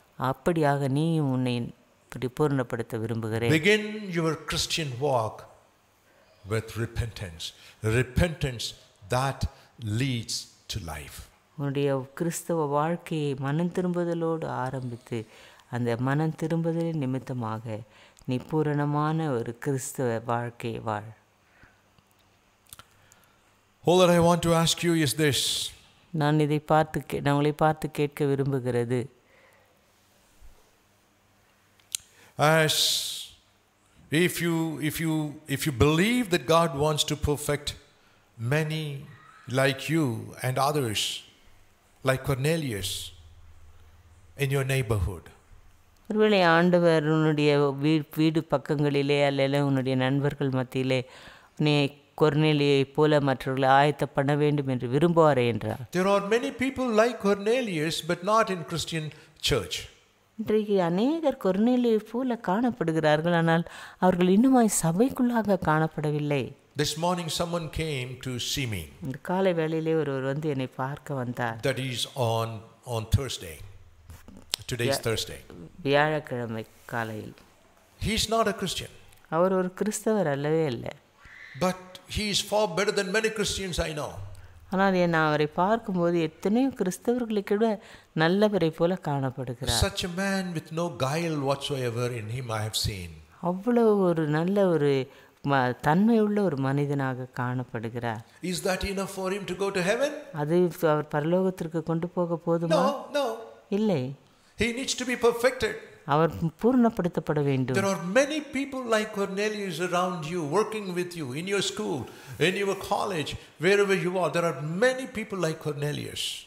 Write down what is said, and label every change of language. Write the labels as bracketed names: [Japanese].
[Tamil] அப்படியாக நீயும் உன்னை பூர்ணப்படுத்த விரும்புகிறேன். [English] Begin your Christian walk with repentance. Repentance that leads to life. [Tamil] உன்னுடைய கிறிஸ்தவ வாழ்க்கையை மனம் திரும்புதலோடு ஆரம்பித்து அந்த மனம் திரும்புதலின் நிமித்தமாக நீ பூரணமான ஒரு கிறிஸ்தவ வாழ்க்கையை வாழ். [English] All that I want to ask you is this. [Tamil] நான் இதை பார்த்து உங்களை பார்த்து கேட்க விரும்புகிறது. [English] As if you believe that God wants to perfect many like you and others like Cornelius in your neighborhood, [Tamil] ஒருவேளை ஆண்டவர் உன்னுடைய வீடு பக்கங்களிலே அல்லது உன்னுடைய நண்பர்கள் மத்தியிலே நீ கொர்நேலியை போல மற்றவர்களை ஆயத்த பண்ண வேண்டும் என்று விரும்புவாரே என்றார். [English] There are many people like Cornelius but not in Christian church. [Tamil] இன்றைக்கு அநேகர் கொர்நேலியு போல காணப்படுகிறார்கள், ஆனால் அவர்கள் இன்னும் சபைக்குள்ளாக காணப்படவில்லை. [English] This morning someone came to see me. [Tamil] இந்த காலை வேளையிலே ஒருவர் வந்து என்னை பார்க்க வந்தார். [English] That is on Thursday. Today is Thursday. [Tamil] வியாழக்கிழமை காலையில். [English] He is not a Christian. [Tamil] அவர் ஒரு கிறிஸ்தவர் அல்லவே இல்லை. [English] But he is far better than many Christians I know. [Tamil] ஆனால் என்னை அவரை பார்க்கும்போது எத்தனையோ கிறிஸ்தவர்களை கூட நல்லவரை போல காணப்படுகிறார். [English] Such a man with no guile whatsoever in him I have seen. [Tamil] அவ்வளவு ஒரு நல்ல ஒரு தன்மை உள்ள ஒரு மனிதனாக காணப்படுகிறார். [English] Is that enough for him to go to heaven? [Tamil] அது அவர் பரலோகத்திற்கு கொண்டு போக போதுமா? [English] No. [Tamil] இல்லை. [English] He needs to be perfected. [Tamil] அவர் பூரணப்படுத்தப்பட வேண்டும். [English] There are many people like Cornelius around you, working with you, in your school, in your college, wherever you are. There are many people like Cornelius.